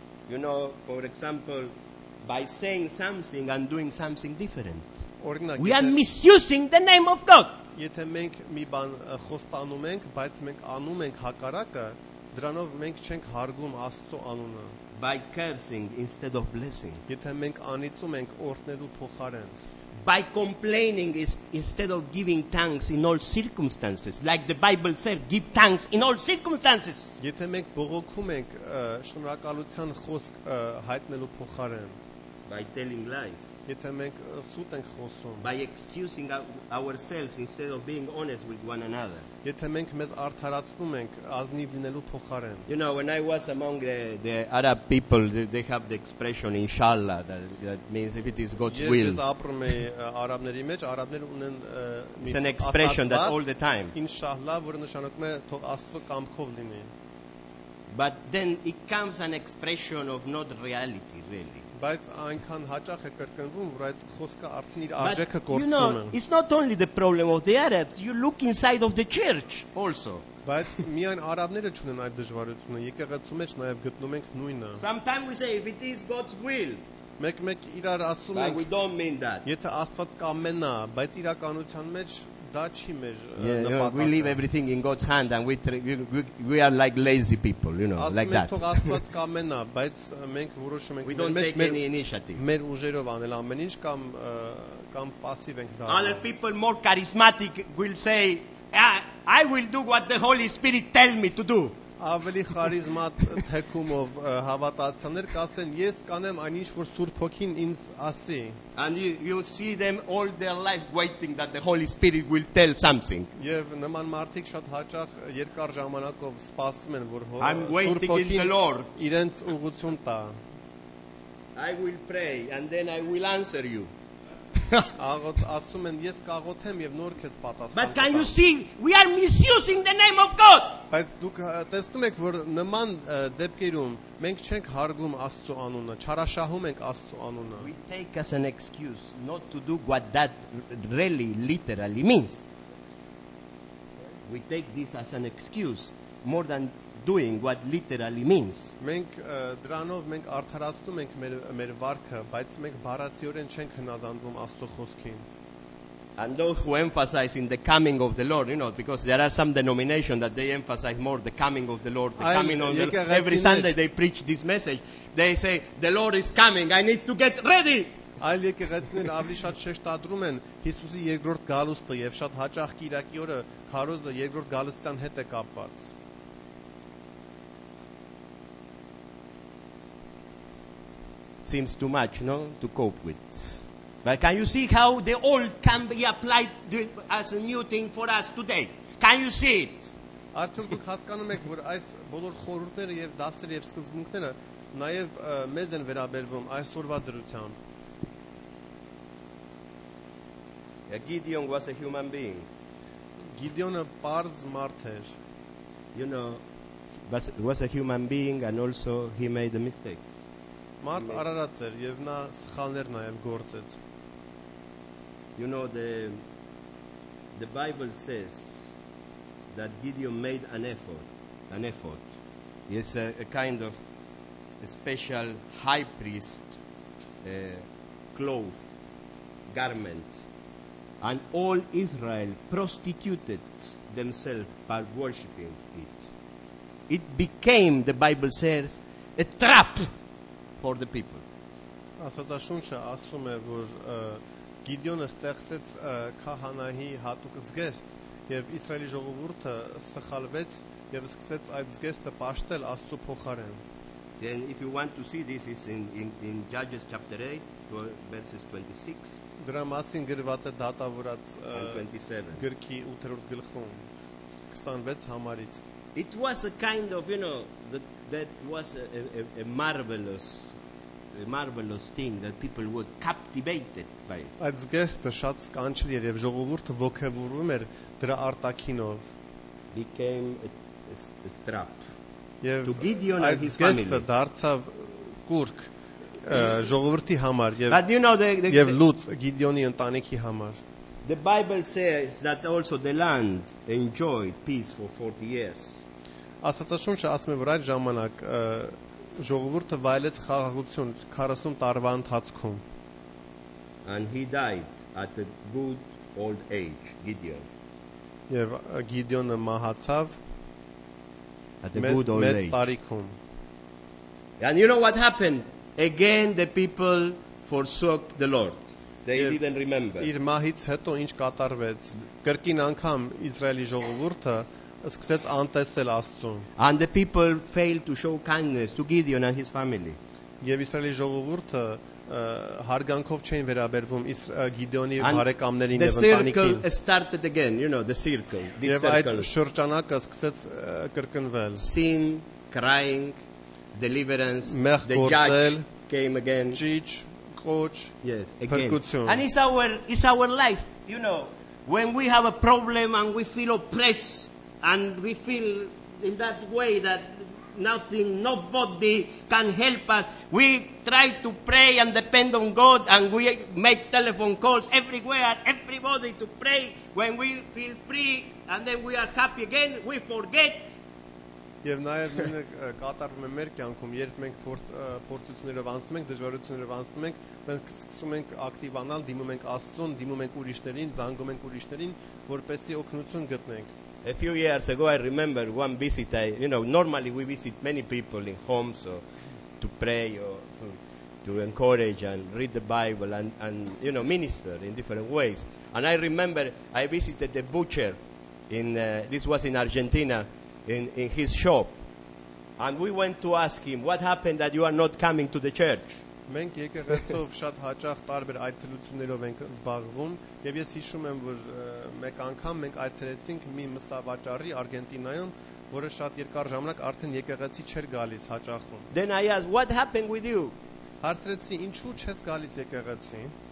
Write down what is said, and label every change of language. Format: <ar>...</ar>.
<en>You know, for example, by saying something and doing something different, we are misusing the name of God.</en> <hy>Եթե մենք մի բան խոստանում ենք, բայց մենք անում ենք հակառակը, դրանով մենք չենք հարգում Աստծո անունը.</hy> <en>By cursing instead of blessing.</en> <hy>Եթե մենք անիծում ենք օրհնելու փոխարեն.</hy> <en>By complaining instead of giving thanks in all circumstances, like the Bible said, give thanks in all circumstances.</en> <hy>Եթե մենք բողոքում ենք շնորհակալության խոսք հայտնելու փոխարեն.</hy> <en>By telling lies.</en> <hy>Եթե մենք սուտ ենք խոսում.</hy> <en>By excusing ourselves instead of being honest with one another.</en> <hy>Եթե մենք մեզ արդարացնում ենք ազնիվ լինելու փոխարեն.</hy> <en>You know, when I was among the Arab people, they have the expression inshallah that means if it is God's will.</en> <hy>Ես ապրում եմ արաբների մեջ, արաբները ունեն</hy> <en>it's an expression that all the time.</en> <hy>Inshallah, որը նշանակում է թող Աստծո կամքով լինի.</hy> <en>But then it comes an expression of not reality really.</en> <hy>Բայց այնքան հաճախ է կրկնվում, որ այդ խոսքը արդեն իր արժեքը կորցնում է.</hy> <en>You know, it's not only the problem of the Arabs, you look inside of the church also.</en> <hy>Բայց միայն արաբները չունեն այդ դժվարությունը, եկեղեցու մեջ նաև գտնում ենք նույնը.</hy> <en>Sometimes we say if it is God's will.</en> <hy>Մեկ-մեկ իրար ասում ենք.</hy> <en>But we don't mean that.</en> <hy>Եթե Աստված կամենն է, բայց իրականության մեջ դա չի մեր նպատակը.</hy> <en>We leave everything in God's hand and we are like lazy people, you know, like that.</en> <hy>Աստուծո Աստված կամենն է, բայց մենք որոշում ենք մեր ուժերով անել ամեն ինչ կամ пассив ենք դառնալ.</hy> <en>Other people more charismatic will say, I will do what the Holy Spirit tell me to do.</en> <hy>Ավելի խարիզմատ թեկումով հավատացաներ կասեն, ես կանեմ այն ինչ որ Սուրբ Հոգին ինձ ասի.</hy> <en>And you see them all their life waiting that the Holy Spirit will tell something.</en> <hy>Եվ նման մարդիկ շատ հաճախ երկար ժամանակով սպասում են, որ Սուրբ Հոգին իրենց ուղղություն տա.</hy> <en>I will pray and then I will answer you.</en> <hy>Աղոթ ասում են, ես կաղոթեմ եւ նոր քեզ պատասխանեմ։</hy> <en>But can you see we are misusing the name of God?</en> <hy>Բայց դուք տեսնում եք, որ նման դեպքերում մենք չենք հարգում Աստծո անունը, չարաշահում ենք Աստծո անունը.</hy> <en>We take as an excuse not to do what that really literally means. We take this as an excuse more than doing what literally means.</en> <hy>Մենք դրանով մենք արդարացնում ենք մեր վարքը, բայց մենք բառացիորեն չենք հնազանդվում Աստծո խոսքին.</hy> <en>And those who emphasize in the coming of the Lord, you know, because there are some denominations that they emphasize more the coming of the Lord, the coming of the Lord. Every Sunday they preach this message. They say, the Lord is coming, I need to get ready.</en> <hy>Այլ եկեղեցիներ ավելի շատ շեշտադրում են Հիսուսի երկրորդ գալուստը եւ շատ հաճախ կիրակի օրը քարոզը երկրորդ գալուստյան հետ է կապված.</hy> <en>Seems too much, no, to cope with. But can you see how the old can be applied as a new thing for us today? Can you see it?</en> <hy>Արդյոք դուք հասկանում եք, որ այս բոլոր խորհուրդները եւ դասերը եւ սկզբունքները նաեւ մեզ են վերաբերվում այսօրվա դրությամբ.</hy> <en>Gideon was a human being.</en> <hy>Գիդեոնը պարզ մարդ էր.</hy> <en>You know, was a human being and also he made a mistake.</en> <hy>Մարդ արարած էր եւ նա սխալներ նաեւ գործեց.</hy> <en>You know the Bible says that Gideon made an effort. He's a kind of a special high priest cloth garment, and all Israel prostituted themselves by worshiping it. It became, the Bible says, a trap for the people.</en> <hy>Ասածաշունչը ասում է, որ Գիդեոնը ստեղծեց քահանայի հատուկ զգեստ, եւ Իսրայելի ժողովուրդը սխալվեց եւ սկսեց այդ զգեստը պաշտել Աստծո փոխարեն.</hy> <en>Then if you want to see this is in Judges chapter 8 verses 26.</en> <hy>Դրա մասին գրված է դատավորած 27 գրքի 8-րդ գլխում 26 համարից.</hy> <en>It was a kind of, you know, that was a marvelous thing that people were captivated by.</en> <hy>Այս գեստը շատ սկանչելի էր եւ ժողովուրդը ոգևորվում էր դրա արտաքինով.</hy> <en>Became a trap.</en> <hy>եւ</hy> <en>to Gideon and his family.</en> <hy>Այդ գեստը դարձավ կուրք ժողովրդի համար եւ</hy> <en>But you know the</en> <hy>եւ լուծ Գիդիոնի ընտանիքի համար.</hy> <en>The Bible says that also the land enjoyed peace for 40 years.</en> <hy>Աստվածաշունչը ասում է, որ այդ ժամանակ ժողովուրդը վայելեց խաղաղություն 40 տարվա ընթացքում.</hy> <en>And he died at a good old age, Gideon.</en> <hy>Եվ Գիդիոնը մահացավ</hy> <en>at a good old age.</en> <hy>Մեծ տարիքում.</hy> <en>And you know what happened? Again the people forsook the Lord. They didn't remember.</en> <hy>Իր մահից հետո ինչ կատարվեց? Կրկին անգամ Իսրայելի ժողովուրդը սկսեց անտեսել Աստծուն.</hy> <en>And the people failed to show kindness to Gideon and his family.</en> <hy>Եվ Իսրայելի ժողովուրդը հարգանքով չէին վերաբերվում Գիդեոնի բարեկամներին եւ ընտանիքին։</hy> <en>The circle started again, you know, the circle. This circle.</en> <hy>Եվ այդ շրջանակը սկսեց կրկնվել։</hy> <en>Sin, crying, deliverance, the judge came again.</en> <hy>Ճիճ, կոչ,</hy> <en>yes, again. And it's our life, you know, when we have a problem and we feel oppressed and we feel in that way that nothing, nobody can help us. We try to pray and depend on God and we make telephone calls everywhere, everybody to pray when we feel free and then we are happy again, we forget.</en> <hy>Եվ նաև նույնը կատարվում է մեր կյանքում, երբ մենք փորձություններով անցնում ենք, դժվարություններով անցնում ենք, մենք սկսում ենք ակտիվանալ, դիմում ենք Աստծուն, դիմում ենք ուրիշներին, զանգում ենք ուրիշներին, որպեսզի օգնություն գտնենք.</hy> <en>A few years ago I remember one visit I, you know, normally we visit many people in homes or to pray or to encourage and read the Bible and you know, minister in different ways. And I remember I visited the butcher in this was in Argentina. In his shop, and we went to ask him, what happened that you are not coming to the church?</en> <hy>Մենք եկեղեցով շատ հաճախ տարբեր այցելություններով ենք զբաղվում, եւ ես հիշում եմ, որ մեկ անգամ մենք այցելեցինք մի մսավաճառի Արգենտինայում, որը շատ երկար ժամանակ արդեն եկեղեցի չէր գալիս հաճախում.</hy> <en>Then I asked, what happened with you?</en> <hy>Հարցրեցի, ինչու չես գալիս եկեղեցին?</hy>